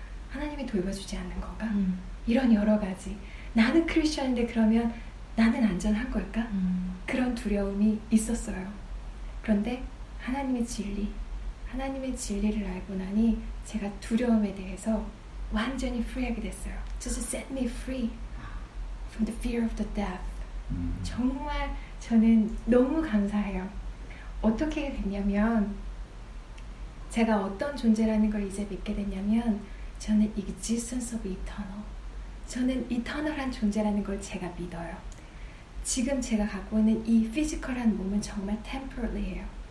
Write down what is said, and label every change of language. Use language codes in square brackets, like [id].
[ko] 하나님이 돌봐주지 않는 건가? 이런 여러 가지. 나는 크리스천인데 그러면 나는 안전한 걸까? 그런 두려움이 있었어요. 그런데 하나님의 진리, 하나님의 진리를 알고 나니 제가 두려움에 대해서 완전히 free하게 됐어요. [en] Just set me free from the fear of the death. [ko] 정말 저는 너무 감사해요. 어떻게 됐냐면, 제가 어떤 존재라는 걸 이제 믿게 됐냐면, 저는 [en] existence of eternal. [ko] 저는 eternal한 존재라는 걸 제가 믿어요. 지금 제가 갖고 있는 이 physical한 몸은 정말 temporary예요.